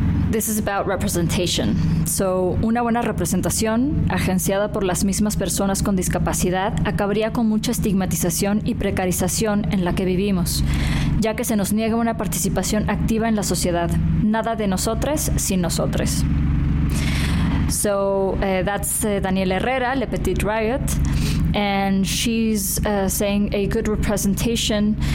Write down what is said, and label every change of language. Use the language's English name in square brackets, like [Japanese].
[English] This is about representation. [Spanish] So, una buena representación agenciada por las mismas personas con discapacidad acabaría con mucha estigmatización y precarización en la que vivimos, ya que se nos niega una participación activa en la sociedad. Nada de nosotras sin nosotras. [English] So, that's Daniela Herrera, Le Petit Riot, and she's saying a good representation